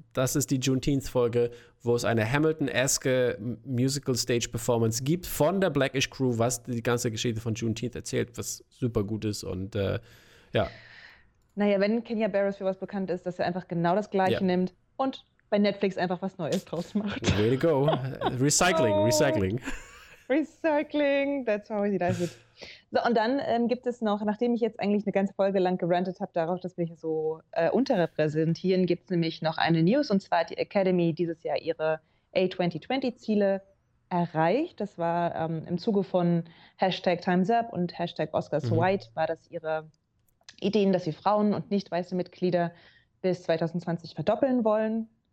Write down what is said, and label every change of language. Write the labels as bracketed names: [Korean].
[German] Das ist die Juneteenth-Folge, wo es eine Hamilton-eske Musical-Stage-Performance gibt von der Black-ish-Crew, was die ganze Geschichte von Juneteenth erzählt, was super gut ist und ja. Naja, wenn Kenya Barris für was bekannt ist, dass er einfach genau das Gleiche Ja. nimmt und bei Netflix einfach was Neues draus [English] Way to [German] macht. [English] go. Recycling, Oh, recycling. Recycling, that's how he does it. [German] So, und dann gibt es noch, nachdem ich jetzt eigentlich eine ganze Folge lang gerantet habe darauf, dass wir hier so unterrepräsentieren, gibt es nämlich noch eine News, und zwar die Academy dieses Jahr ihre A2020-Ziele erreicht. Das war im Zuge von Hashtag Time's Up und Hashtag Oscars So White, war das ihre Ideen, dass sie Frauen und nicht weiße Mitglieder bis 2020 verdoppeln wollen.